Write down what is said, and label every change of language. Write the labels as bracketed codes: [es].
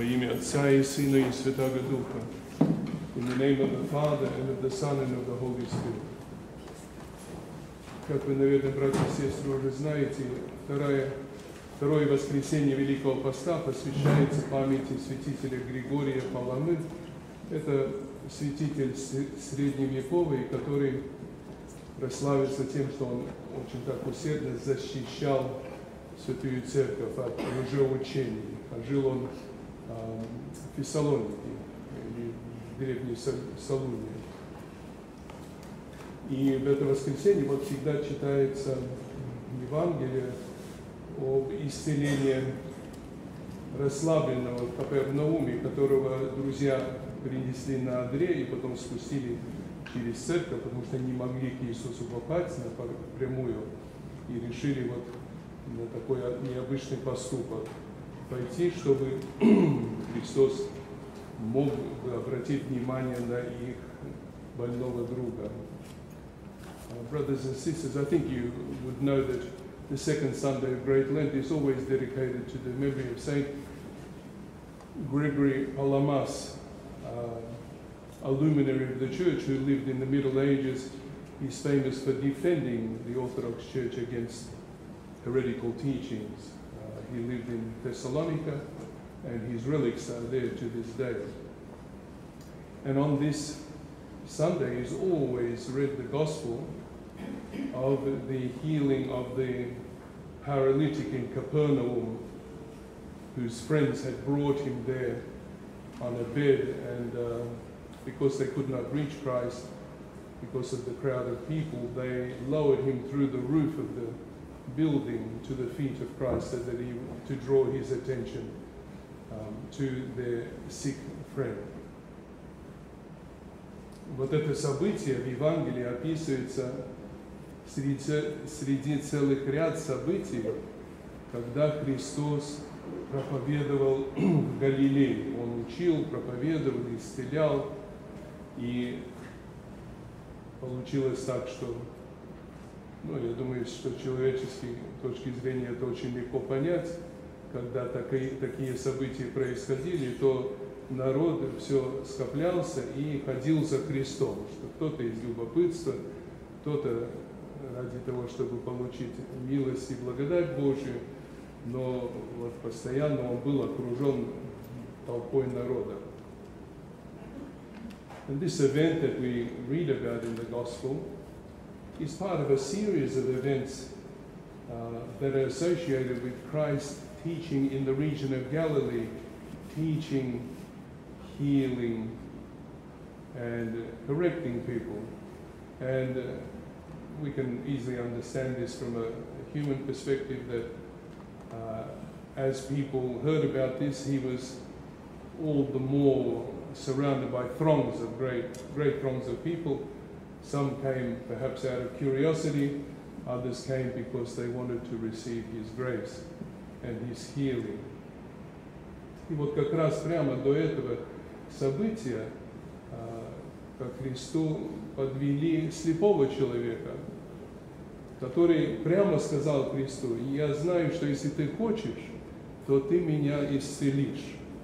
[ru] Отца и Сына и Святаго Духа. [en] In the name of the Father, and of the Son, and of the Holy Spirit. [ru] Как вы, наверное, братья и сестры, уже знаете, второе воскресенье Великого Поста посвящается памяти святителя Григория Паламы. Это святитель средневековый, который прославился тем, что он очень так усердно защищал Святую Церковь от лжеучений. А жил он в Фессалонике, или в древней Салуне. И в это воскресенье вот всегда читается Евангелие об исцелении расслабленного в Капернауме, которого друзья принесли на одре и потом спустили через церковь, потому что не могли к Иисусу попасть напрямую и решили вот на такой необычный поступок пойти, чтобы Христос мог обратить внимание на их больного друга. [en] Brothers and sisters, I think you would know that the second Sunday of Great Lent is always dedicated to the memory of Saint Gregory Palamas, a luminary of the Church who lived in the Middle Ages. He's famous for defending the Orthodox Church against heretical teachings. He lived in Thessalonica, and his relics are there to this day. And on this Sundays always read the gospel of the healing of the paralytic in Capernaum, whose friends had brought him there on a bed, and because they could not reach Christ because of the crowd of people, they lowered him through the roof of the building to the feet of Christ so that he to draw his attention to their sick friend. [ru] Вот это событие в Евангелии описывается среди целых ряд событий, когда Христос проповедовал в Галилее. Он учил, проповедовал, исцелял, и получилось так, что, ну, я думаю, что с человеческой точки зрения это очень легко понять, когда такие события происходили, то народ все скоплялся и ходил за Христом, что кто-то из любопытства, кто-то ради того, чтобы получить милость и благодать Божию, но вот постоянно он был окружен толпой народа. [en] And this event that we read about in the Gospel is part of a series of events that are associated with Christ teaching in the region of Galilee, teaching, healing, and correcting people. And we can easily understand this from a human perspective that as people heard about this, he was all the more surrounded by throngs of great throngs of people. Some came perhaps out of curiosity, others came because they wanted to receive his grace and his healing. [ru] И вот как раз прямо до этого события, ко Христу подвели слепого человека, который прямо сказал Христу: «Я знаю, что если ты хочешь, то ты меня исцелишь».